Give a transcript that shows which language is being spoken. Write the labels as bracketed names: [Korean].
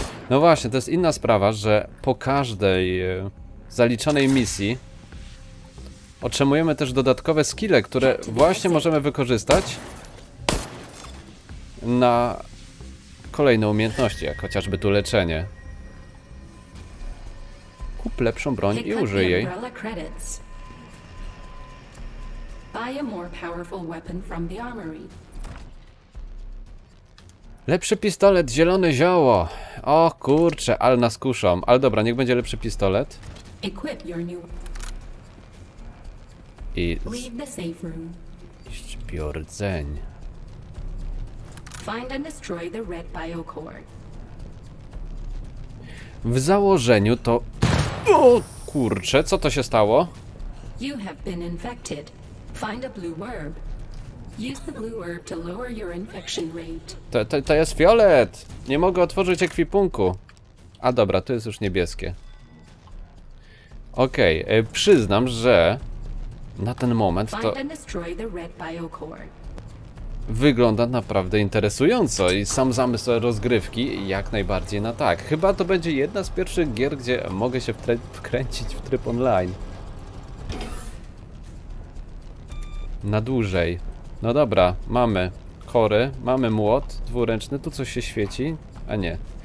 [Polish] No właśnie, to jest inna sprawa, że po każdej zaliczonej misji otrzymujemy też dodatkowe skille, które właśnie możemy wykorzystać na kolejne umiejętności, jak chociażby tu leczenie. Kup lepszą broń i użyj jej. [English] Buy a more powerful weapon from the armory. [Polish] Lepszy pistolet, zielone zioło. O kurczę, ale nas kuszą. Ale dobra, niech będzie lepszy pistolet. [English] Equip your new... I... Leave the safe room. [Polish] Iść biordzeń. [English] Find and destroy the red biocore. [Polish] W założeniu to... O kurczę, co to się stało? [English] You have been infected. Find a blue herb. Use the blue herb to lower your infection rate. [Polish] To jest fiolet! Nie mogę otworzyć ekwipunku. A dobra, to jest już niebieskie. Okej, okay, przyznam, że... Na ten moment to... [English] Find and destroy the red biocore. [Polish] Wygląda naprawdę interesująco i sam zamysł rozgrywki jak najbardziej na tak. Chyba to będzie jedna z pierwszych gier, gdzie mogę się wkręcić w tryb online. Na dłużej. No dobra, mamy kory, mamy młot dwuręczny, tu coś się świeci, a nie.